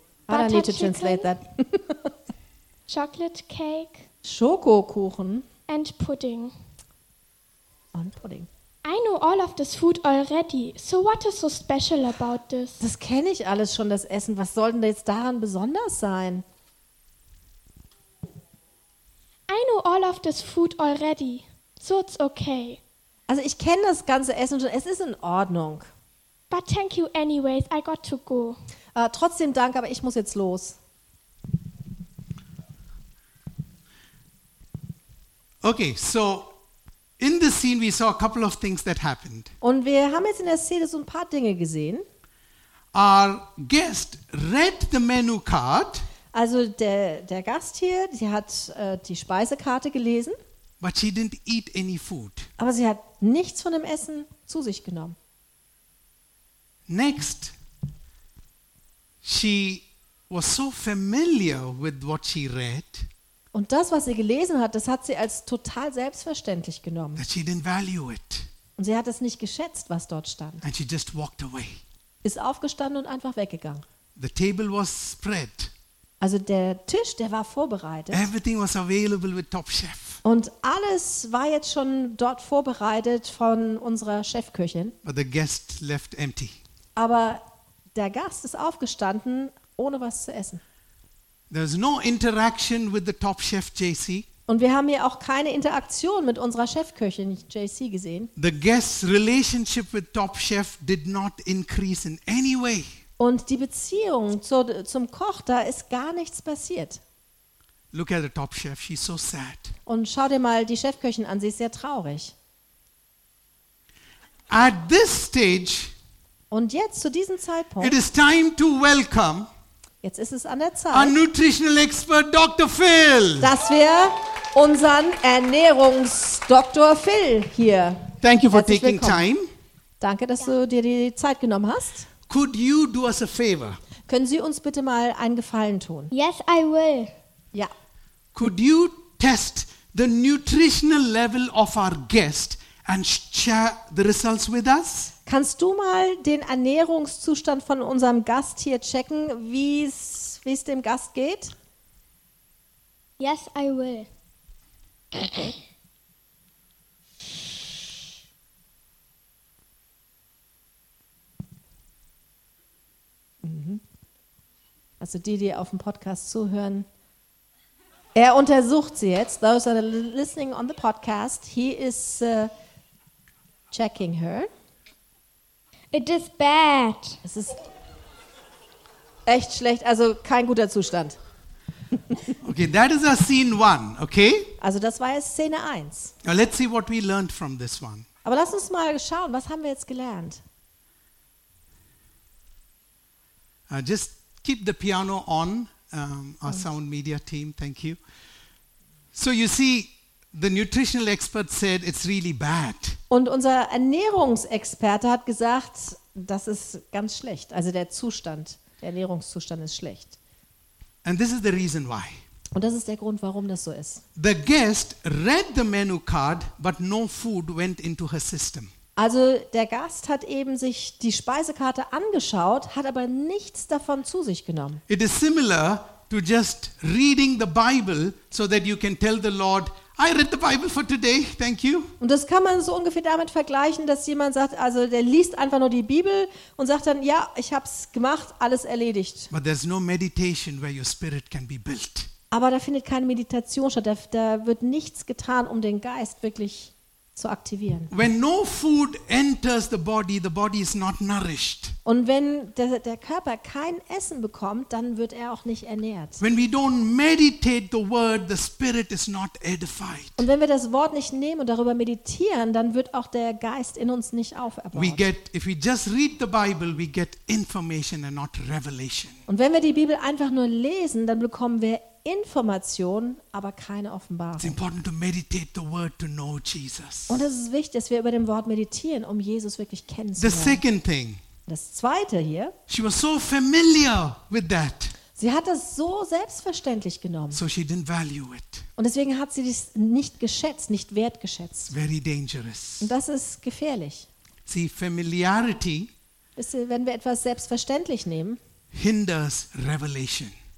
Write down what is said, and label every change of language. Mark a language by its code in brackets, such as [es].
[en] Butter I don't need to translate that. Chocolate cake. [de] Schokokuchen. [en] And pudding. And pudding. I know all of this food already. So what is so special about this? [de] Das kenne ich alles schon, das Essen. Was soll denn jetzt daran besonders sein? [en] I know all of this food already. So it's okay. [de] Also ich kenne das ganze Essen schon. Es ist in Ordnung. [en] But thank you anyways. I got to go. [de] Trotzdem Dank, aber ich muss jetzt los. [en] Okay, so in this scene we saw a couple of things that happened. [de] Und wir haben jetzt in der Szene so ein paar Dinge gesehen. [en] Our guest read the menu card. [de] Also der Gast hier, sie hat die Speisekarte gelesen. [en] But she didn't eat any food. [de] Aber sie hat nichts von dem Essen zu sich genommen. [en] Next, she was so familiar with what she read. [de] Und das, was sie gelesen hat, das hat sie als total selbstverständlich genommen. [en] That she didn't value it. [de] Und sie hat es nicht geschätzt, was dort stand. [en] And she just walked away. [de] Ist aufgestanden und einfach weggegangen. [en] The table was spread. [de] Also der Tisch, der war vorbereitet. [en] Everything was available with Top Chef. [de] Und alles war jetzt schon dort vorbereitet von unserer Chefköchin. [en] But the guest left empty. [de] Aber der Gast ist aufgestanden, ohne was zu essen. [en] There's no interaction with the top chef JC. [de] Und wir haben hier auch keine Interaktion mit unserer Chefköchin JC gesehen. [en] The guest's relationship with top chef did not increase in any way. [de] Und die Beziehung zum Koch, da ist gar nichts passiert. [en] Look at the top chef, she's so sad. [de] Und schau dir mal die Chefköchin an, sie ist sehr traurig. [en] At this stage. [de] Und jetzt zu diesem Zeitpunkt. [en] It is time to welcome. [de] Jetzt ist es an der Zeit, [en] our nutritional expert Dr. Phil. [de] Dass wir unseren Ernährungsdoktor Phil hier. [en] Thank you for taking time. [de] Danke, dass du dir die Zeit genommen hast. [en] Could you do us a favor? [de] Können Sie uns bitte mal einen Gefallen tun? [en] Yes, I will. [de] Ja. [en] Could you test the nutritional level of our guest and share the results with us? [de] Kannst du mal den Ernährungszustand von unserem Gast hier checken, wie es dem Gast geht? [en] Yes, I will. [de] Also die auf dem Podcast zuhören, er untersucht sie jetzt. [en] Those that are listening on the podcast, he is checking her. It is bad. [de] Es ist echt schlecht, also kein guter Zustand. [en] Okay, that is our scene one, okay? [de] Also das war jetzt Szene 1. [en] Now let's see what we learned from this one. [de] Aber lass uns mal schauen, was haben wir jetzt gelernt? [en] Just keep the piano on, our sound media team, thank you. So you see, the nutritional expert said it's really bad. [de] Und unser Ernährungsexperte hat gesagt, das ist ganz schlecht. Also der Zustand, der Ernährungszustand ist schlecht. [en] And this is the reason why. [de] Und das ist der Grund, warum das so ist. [en] The guest read the menu card, but no food went into her system. [de] Also der Gast hat eben sich die Speisekarte angeschaut, hat aber nichts davon zu sich genommen. [en] It is similar to just reading the Bible so that you can tell the Lord, I read the Bible for today, thank you. [de] Und das kann man so ungefähr damit vergleichen, dass jemand sagt, also der liest einfach nur die Bibel und sagt dann, ja, ich habe es gemacht, alles erledigt. [en] But there's no meditation where your spirit can be built. [de] Aber da findet keine Meditation statt, da wird nichts getan, um den Geist wirklich zu aktivieren. [en] When no food enters the body is not nourished. [de] Und wenn der Körper kein Essen bekommt, dann wird er auch nicht ernährt. [en] When we don't meditate the word, the spirit is not edified. [de] Und wenn wir das Wort nicht nehmen und darüber meditieren, dann wird auch der Geist in uns nicht auferbaut. [en] We get, if we just read the Bible, we get information and not revelation. [de] Und wenn wir die Bibel einfach nur lesen, dann bekommen wir Information, aber keine Offenbarung. [en] It's important to meditate the word to know Jesus. [de] Und es ist wichtig, dass wir über dem Wort meditieren, um Jesus wirklich kennenzulernen. [en] The second thing. [de] Das zweite hier. [en] She was so familiar with that. [de] Sie hat das so selbstverständlich genommen. [en] So she didn't value it. [de] Und deswegen hat sie das nicht geschätzt, nicht wertgeschätzt. [en] Very dangerous. [de] Und das ist gefährlich. [en] See, familiarity. [de] Wenn wir etwas selbstverständlich nehmen. [en] Hinders revelation.